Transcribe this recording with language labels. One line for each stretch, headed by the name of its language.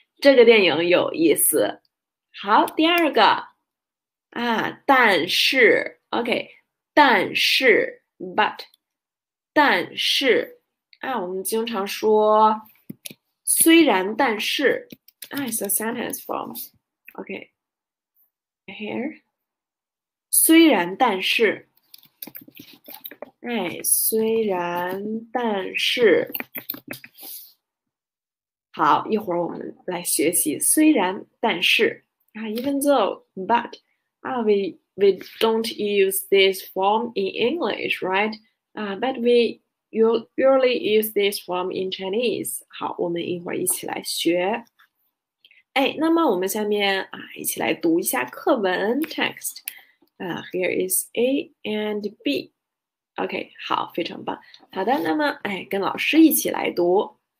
Chinese: 这个电影有意思。好，第二个但是，OK，但是，but，但是我们经常说虽然，但是，
English: it's a sentence form，
Chinese: OK，here，虽然，但是。虽然，但是，好，一会儿我们来学习。
English: 虽然，但是，even though, but, we don't use this form in English, right? But we usually use this form in Chinese.
Chinese: 好，我们一会儿一起来学。那么我们下面一起来读一下课文 text.
English: Here is A and B.
Chinese: OK，好，非常棒。好的，那么，哎，跟老师一起来读。